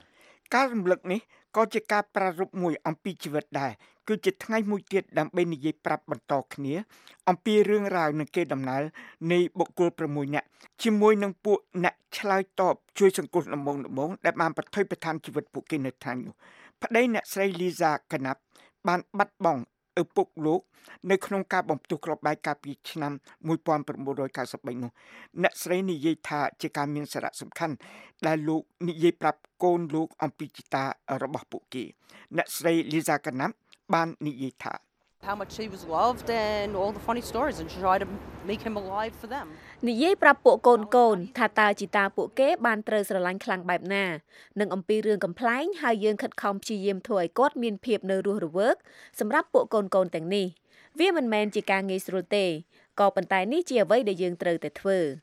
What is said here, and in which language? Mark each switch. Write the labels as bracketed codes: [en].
[km] ការរំលឹកនេះក៏ជាការប្រារព្ធមួយអំពីជីវិតដែរគឺជាថ្ងៃមួយទៀតដើម្បីនិយាយប្រាប់បន្តគ្នាអំពីរឿងរ៉ាវនឹងគេដំណើរនៃបុគ្គល6នាក់ជាមួយនឹងពួកអ្នកឆ្លើយតបជួយសង្គ្រោះដំងដំងដែលបានប្រថុយប្រឋានជីវិតពួកគេនៅថ្ងៃនោះប្តីអ្នកស្រីលីសាកណាប់បានបាត់បង់ឪពុកលោកនៅក្នុងការបំផ្ទុះគ្រាប់បែកកាលពីឆ្នាំ1993នោះ អ្នកស្រីនិយាយថាជាការមានសារៈសំខាន់ដែលលោកនិយាយប្រាប់កូនលោកអំពីចិត្តារបស់ពួកគេអ្នកស្រីលីសាកណាប់បាននិយាយថា [en] How much she was loved and all the funny stories and try to make him alive for them [km] និយាយប្រាប់ពួកកូនកូនថាតើជីតាពួកគេបានត្រូវស្រឡាញ់ខ្លាំងបែបណានឹងអំពីរឿងកំ pl ែងហើយយើងខិតខំព្យាយាមធ្វើឲ្យគាត់មានភាពនៅរស់រវើកសម្រាប់ពួកកូនកូនទាំងនេះវាមិនមែនជាការងាយស្រួលទេក៏ប៉ុន្តែនេះជាអ្វីដែលយើងត្រូវតែធ្វើ